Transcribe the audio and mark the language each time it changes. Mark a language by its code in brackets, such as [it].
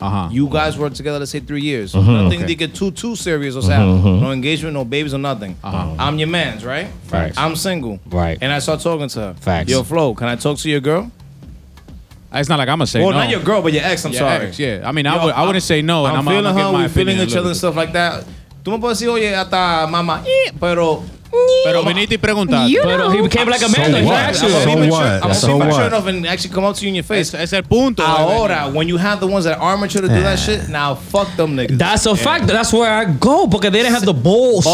[en] You guys were together, let's say, 3 years. Nothing they get too serious or sad. No engagement, no babies, or nothing. I'm your man's, right? Facts. I'm single. Right. And I start talking to her. Facts. Yo, Flo, can I talk to your girl? It's not like I'm going to say Not your girl, but your ex, I'm sorry. Ex, yeah. I mean, I wouldn't say no. And I'm feeling I'm her, my we're feeling each other and stuff like that. [es] Tú me puedes decir, oye, hasta mamá, pero... Pero viniste y preguntaste. [en] You know. But he became like a man. So what? Enough and actually come up to you in your face. [es] Es el punto. [en] Ahora, when you have the ones that are mature to do that shit, now fuck them niggas. That's a fact. That's where I go, because they didn't have the balls.